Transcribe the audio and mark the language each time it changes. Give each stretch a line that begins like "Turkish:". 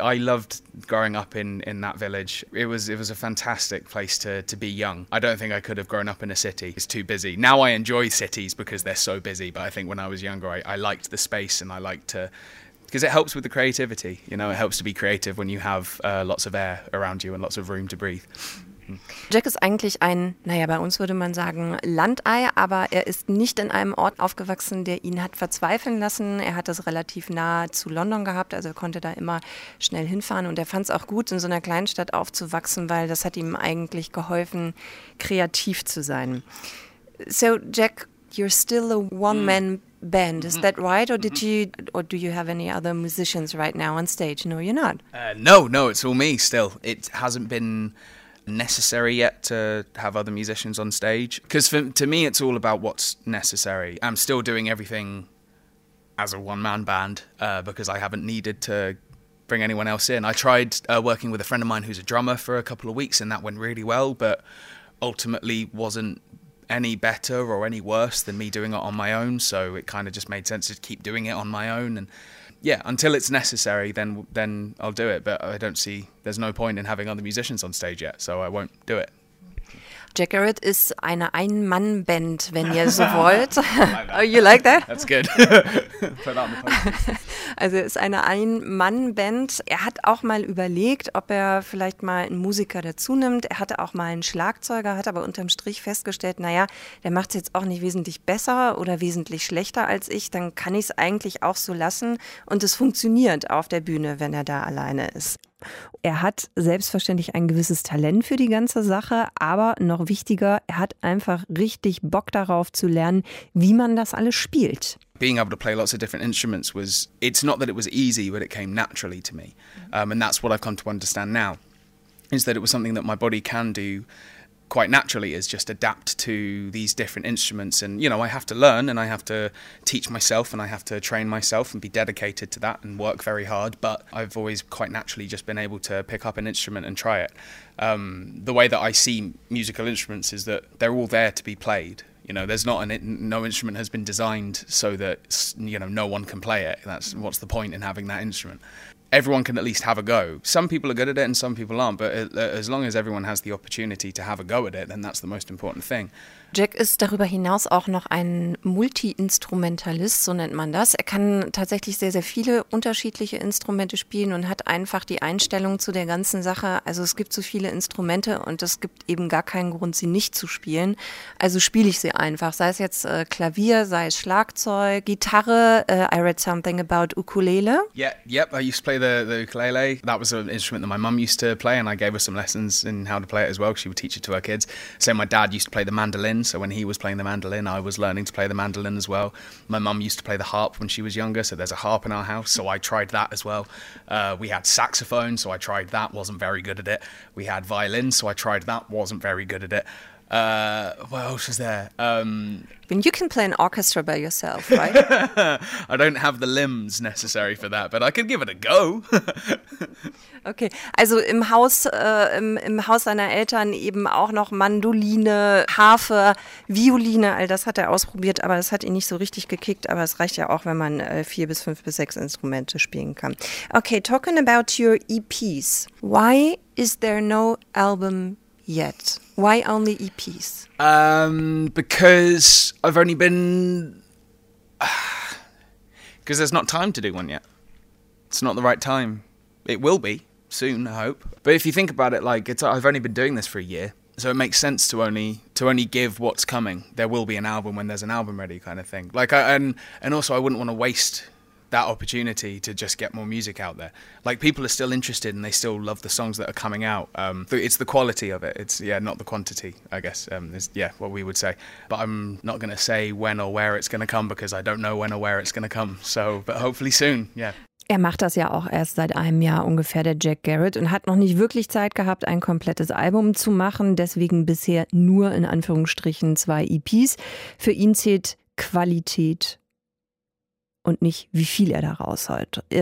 English: I loved growing up in that village. It was a fantastic place to be young. I don't think I could have grown up in a city. It's too busy. Now I enjoy cities because they're so busy, but I think when I was younger I liked the space and I liked to, because it helps with the creativity, you know, it helps to be creative when you have lots of air around you and lots of room to breathe.
German: Jack ist eigentlich ein, naja, bei uns würde man sagen Landei, aber er ist nicht in einem Ort aufgewachsen, der ihn hat verzweifeln lassen. Er hat das relativ nah zu London gehabt, also er konnte da immer schnell hinfahren und er fand es auch gut, in so einer kleinen Stadt aufzuwachsen, weil das hat ihm eigentlich geholfen, kreativ zu sein.
English: So Jack, you're still a one-man band, is that right? Or did you, or do you have any other musicians right now on stage? No, you're not. No, it's all me still. It hasn't been necessary yet to have other musicians on stage, because to me it's all about what's necessary. I'm still doing everything as a one-man band because I haven't needed to bring anyone else in. I tried working with a friend of mine who's a drummer for a couple of weeks, and that went really well, but ultimately wasn't any better or any worse than me doing it on my own. So it kind of just made sense to keep doing it on my own. And yeah, until it's necessary, then I'll do it. But I don't see, there's no point in having other musicians on stage yet, so I won't do it.
German: Jackaret ist eine Ein-Mann-Band, wenn ihr so wollt.
English: Oh, you like that? That's good. Put that on the phone.
German: Also es ist eine Ein-Mann-Band. Er hat auch mal überlegt, ob er vielleicht mal einen Musiker dazu nimmt. Er hatte auch mal einen Schlagzeuger, hat aber unterm Strich festgestellt, naja, der macht es jetzt auch nicht wesentlich besser oder wesentlich schlechter als ich. Dann kann ich es eigentlich auch so lassen. Und es funktioniert auf der Bühne, wenn er da alleine ist. Er hat selbstverständlich ein gewisses Talent für die ganze Sache, aber noch wichtiger, er hat einfach richtig Bock darauf zu lernen, wie man das alles spielt.
English: Being able to play lots of different instruments was, it's not that it was easy, but it came naturally to me. And that's what I've come to understand now, is that it was something that my body can do quite naturally, is just adapt to these different instruments. And, you know, I have to learn and I have to teach myself and I have to train myself and be dedicated to that and work very hard. But I've always quite naturally just been able to pick up an instrument and try it. The way that I see musical instruments is that they're all there to be played. You know, there's not an, no instrument has been designed so that, you know, no one can play it. That's, what's the point in having that instrument? Everyone can at least have a go. Some people are good at it and some people aren't, but as long as everyone has the opportunity to have a go at it, then that's the most important thing.
German: Jack ist darüber hinaus auch noch ein Multi-Instrumentalist, so nennt man das. Er kann tatsächlich sehr, sehr viele unterschiedliche Instrumente spielen und hat einfach die Einstellung zu der ganzen Sache. Also es gibt so viele Instrumente und es gibt eben gar keinen Grund, sie nicht zu spielen. Also spiele ich sie einfach, sei es jetzt Klavier, sei es Schlagzeug, Gitarre.
English: I read something about Ukulele. Yeah, yep, I used to play the ukulele. That was an instrument that my mum used to play and I gave her some lessons in how to play it as well. She would teach it to her kids. So my dad used to play the mandolin. So when he was playing the mandolin, I was learning to play the mandolin as well. My mum used to play the harp when she was younger, so there's a harp in our house, so I tried that as well. We had saxophone, so I tried that, wasn't very good at it. We had violin, so I tried that, wasn't very good at it. What else was there? And you can play an orchestra by yourself, right? I don't have the limbs necessary for that, but I can give it a go.
German: Okay, also im Haus seiner Eltern eben auch noch Mandoline, Harfe, Violine, all das hat er ausprobiert, aber das hat ihn nicht so richtig gekickt, aber es reicht ja auch, wenn man 4 bis 5 bis 6 Instrumente spielen kann.
English: Okay, talking about your EPs, why is there no album yet? Why only EPs? Because I've only been... Because there's not time to do one yet. It's not the right time. It will be soon, I hope. But if you think about it, like, it's, I've only been doing this for a year. So it makes sense to only give what's coming. There will be an album when there's an album ready, kind of thing. Like, and also I wouldn't want to waste that opportunity to just get more music out there. Like, people are still interested and they still love the songs that are coming out. It's the quality of it. It's, yeah, not the quantity, I guess, is, yeah, what we would say. But I'm not going to say when or where it's going to come, because I don't know when or where it's going to come. So, but hopefully soon, yeah.
German: Er macht das ja auch erst seit einem Jahr ungefähr, der Jack Garrett, und hat noch nicht wirklich Zeit gehabt, ein komplettes Album zu machen. Deswegen bisher nur in Anführungsstrichen 2 EPs. Für ihn zählt Qualität und nicht, wie viel er da raushaut.